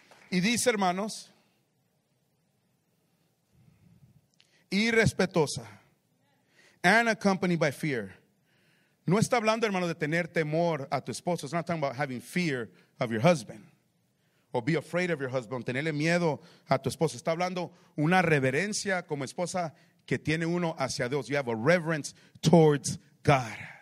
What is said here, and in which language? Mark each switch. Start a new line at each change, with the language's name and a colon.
Spanish: Y dice, hermanos, irrespetuosa,
English: and accompanied by fear.
Spanish: No está hablando, hermano, de tener temor a tu esposo.
English: It's not talking about having fear of your husband, or be afraid of your husband,
Spanish: tenerle miedo a tu esposo. Está hablando una reverencia como esposa que tiene uno hacia Dios.
English: You have a reverence towards God.